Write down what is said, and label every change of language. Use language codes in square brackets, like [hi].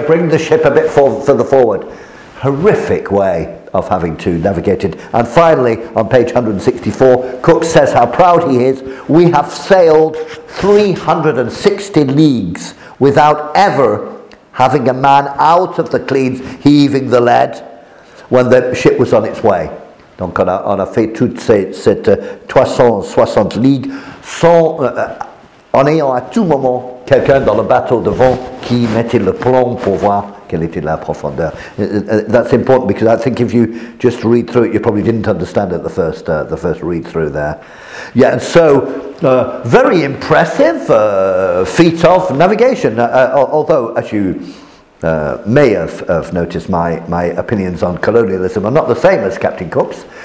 [en] Bring the ship a bit further forward. Horrific way of having to navigate it. And finally, on page 164, Cook says how proud he is. We have sailed 360 leagues without ever having a man out of the cleans heaving the lead when the ship was on its way. [fr] Donc on a fait toutes ces 360 leagues sans en ayant à tout moment quelqu'un dans le bateau devant qui mettait le plomb pour voir qu'elle était la profondeur. [en] That's important because I think if you just read through it, you probably didn't understand it the first read through there. Yeah, and so very impressive feat of navigation. Although, as you may have noticed, my opinions on colonialism are not the same as Captain Cook's.